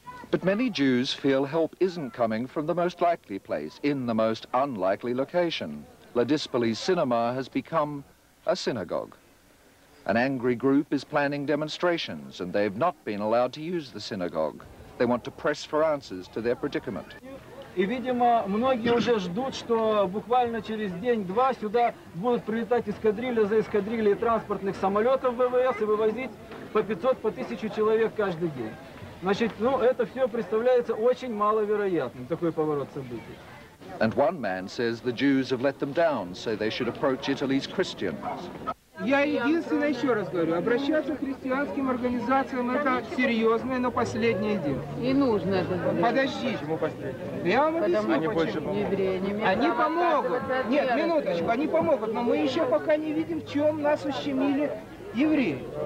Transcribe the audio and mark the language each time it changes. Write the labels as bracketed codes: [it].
[en] But many Jews feel help isn't coming from the most likely place in the most unlikely location. Ladispoli cinema has become a synagogue. An angry group is planning demonstrations, and they've not been allowed to use the synagogue. They want to press for answers to their predicament. [ru] И, видимо, многие уже ждут, что буквально через день-два сюда будут прилетать эскадрилья за эскадрильей транспортных самолетов ВВС и вывозить по 500, по 1000 человек каждый день. Значит, ну, это все представляется очень маловероятным, такой поворот событий. [en] And one man says the Jews have let them down, so they should approach Italy's Christians. [ru] Я единственное еще раз говорю, обращаться к христианским организациям это серьезное, но последнее дело. И нужно это. Подожди. Почему последнее? Я вам объясню. Они больше помогут. Они помогут. Нет, минуточку, они помогут, но мы еще пока не видим, в чем нас ущемили евреи.